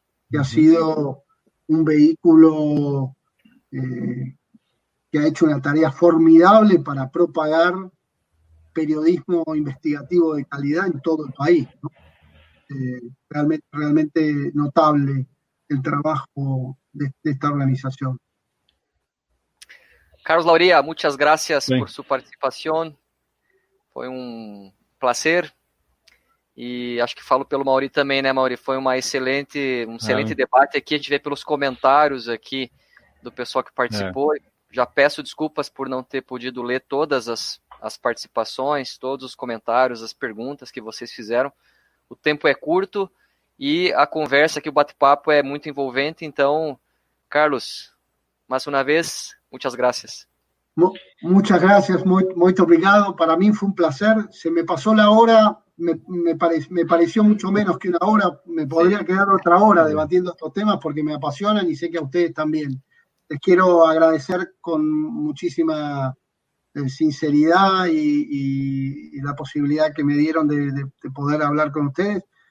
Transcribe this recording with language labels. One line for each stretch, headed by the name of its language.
Spanish: Que ha sido un vehículo que ha hecho una tarea formidable para propagar periodismo investigativo de calidad en todo el país, ¿no? Realmente, realmente notable el trabajo de esta organización. Carlos Lauría, muchas gracias por Bien. su participación.
Portuguese: Foi um placer. E acho que falo pelo Mauri também, né, Mauri? Foi um excelente debate aqui. A gente vê pelos comentários aqui do pessoal que participou. Já peço desculpas por não ter podido ler todas as participações, todos os comentários, as perguntas que vocês fizeram. O tempo é curto e a conversa aqui, o bate-papo é muito envolvente. Então, Carlos, mais uma vez,
Spanish: muchas gracias. Muchas gracias, muy obrigado. Para mí fue un placer. Se me pasó la hora, me pareció mucho menos que una hora. Me podría quedar otra hora debatiendo estos temas porque me apasionan y sé que a ustedes también. Les quiero agradecer con muchísima sinceridad y la posibilidad que me dieron de poder hablar con ustedes.